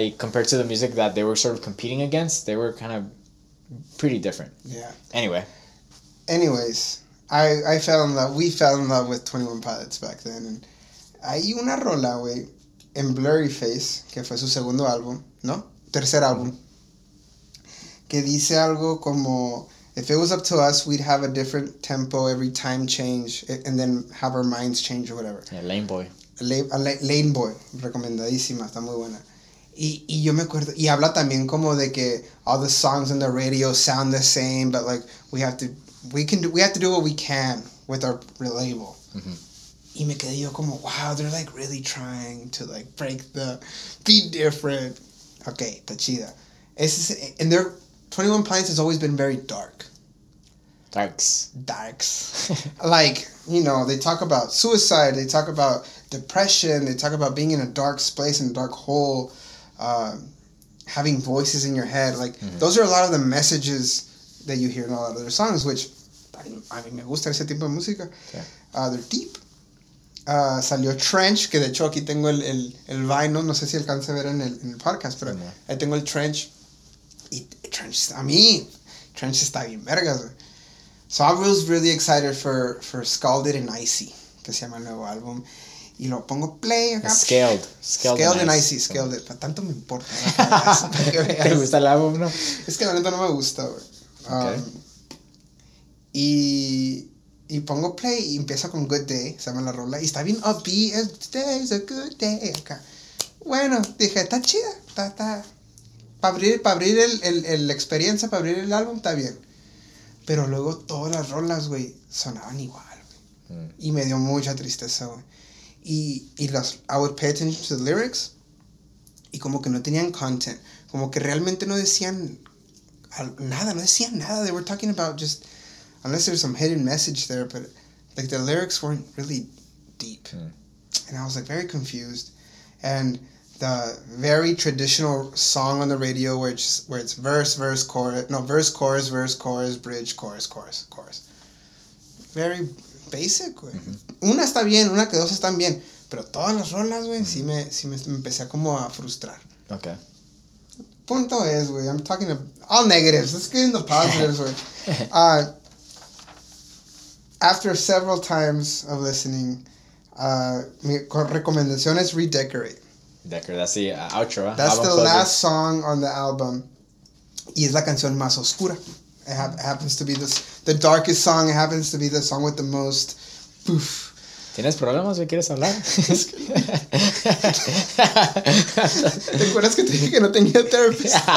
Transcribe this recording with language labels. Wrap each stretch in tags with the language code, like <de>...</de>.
<en>Y compared to the music that they were sort of competing against, they were kind of pretty different. Yeah. Anyway. Anyways, I fell in love, we fell in love with 21 Pilots back then.</en> <es>And hay una rola, güey. En Blurry Face, que fue su segundo álbum, ¿no? Tercer álbum. Que dice algo como,</es> <en>if it was up to us, we'd have a different tempo every time change, and then have our minds change or whatever. Yeah, Lane Boy.</en> <es>Lane Boy, recomendadísima, está muy buena. Y yo me acuerdo, y habla también como de que</es> <en>all the songs on the radio sound the same, but like, we have to do what we can with our label. Mm-hmm.</en> <es>Y me quedé yo como,</es> <en>wow, they're like really trying to like break the, be different. Okay,</en> <es>está chida.</es> <en>And their 21 Pilots has always been very dark. Darks. Like, you know, they talk about suicide, they talk about depression, they talk about being in a dark space, in a dark hole, having voices in your head. Like, mm-hmm. Those are a lot of the messages that you hear in a lot of their songs, which, I mean,</en> <es>me gusta ese tipo de música.</es> <en>Yeah. They're deep.</en> <es>Salió Trench, que de hecho aquí tengo el vinyl, no sé si alcance a ver en el podcast, pero yeah. Ahí tengo el Trench, y Trench está bien vergas.</es> <en>So I was really excited for Scalded and Icy,</en> <es>que se llama el nuevo álbum, y lo pongo play acá.</es> <en>Scaled and Icy.</en> <es>Pero tanto me importa. ¿Te gusta el álbum, no? Es que la neta no me gusta, güey. Okay. Y pongo play y empiezo con Good Day, se llama la rola, y está bien upbeat,</es> <en>today is a good day,</en> <es>acá. Bueno, dije, está chida, está. Para abrir la experiencia, para abrir el álbum, está bien. Pero luego todas las rolas, güey, sonaban igual, güey. Mm. Y me dio mucha tristeza, güey. Y</es> <en>I would pay attention to the lyrics,</en> <es>y como que no tenían content. Como que realmente no decían nada, no decían nada.</es> <en>They were talking about just... Unless there's some hidden message there, but like the lyrics weren't really deep. Mm. And I was like very confused. And the very traditional song on the radio where it's verse, chorus, bridge, chorus. Very basic, güey. Mm-hmm.</en> <es>Una está bien, una que dos están bien. Pero todas las rolas, güey, mm-hmm. sí me empecé a como a frustrar.</es> <en>Okay.</en> <es>Punto es, güey.</es> <en>I'm talking about all negatives. Let's get into positives, güey. After several times of listening,</en> <es>mi recomendación es</es> <en>Redecorate. That's the outro. Huh? That's the last song on the album.</en> <es>Y es la canción más oscura.</es> <en>It happens to be the darkest song. It happens to be the song with the most... Poof.</en> <es>¿Tienes problemas? ¿Me quieres hablar? ¿Te acuerdas que te dije que no tenía therapist?</es>